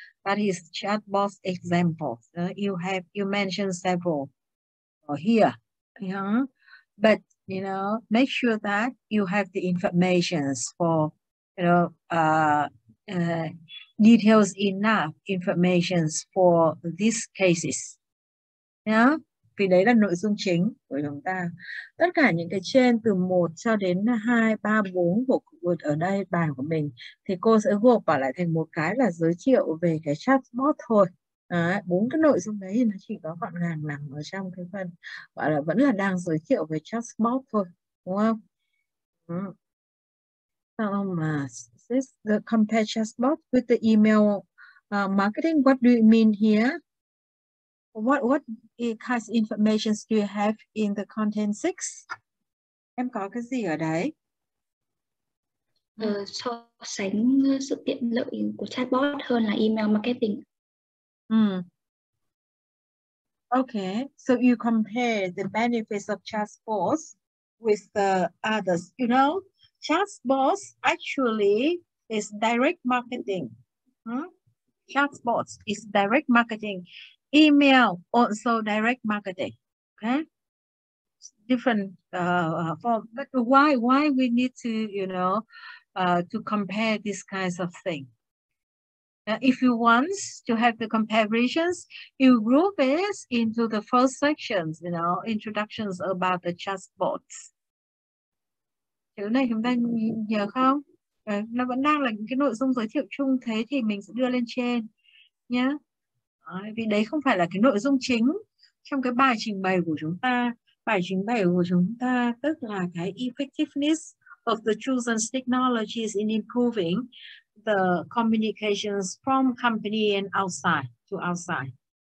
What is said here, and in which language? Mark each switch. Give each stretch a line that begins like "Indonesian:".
English: That is chatbot examples. You mentioned several here. Yeah? But you know, make sure that you have the information for, you know, details enough information for these cases. Yeah?
Vietnamese: Vì đấy là nội dung chính của chúng ta. Tất cả những cái trên từ 1 cho đến 2, 3, 4 của ở đây bài của mình thì cô sẽ gộp vào lại thành một cái là giới thiệu về cái chatbot thôi. Đấy, 4 cái nội dung đấy thì nó chỉ có gọn gàng nằm ở trong cái phần gọi là vẫn là đang giới thiệu về chatbot thôi. Đúng không? Sao mà
English: assist the compare chatbot with the email marketing. What do you mean here? What kind of information do you have in the content 6?
Vietnamese: Em có cái gì ở đấy? So sánh sự tiện lợi của chatbot hơn là email marketing.
English: Okay, so you compare the benefits of chatbots with the others. You know, chatbots actually is direct marketing. Chatbots is direct marketing. Email also direct marketing. Okay, different form. But why we need to, you know, to compare these kinds of things? If you want to have the comparisons, you group it into the first sections, you know, introductions about the chatbots.
Vietnamese: Chữ này chúng ta nhớ không? Nó vẫn đang là những cái nội dung giới thiệu chung, thế thì mình sẽ đưa lên trên nhá. Vì đấy không phải là cái nội dung chính trong cái bài trình bày của chúng ta.
English: Bài trình bày của chúng ta tức là cái effectiveness of the chosen technologies in improving the communications from company and outside to outside.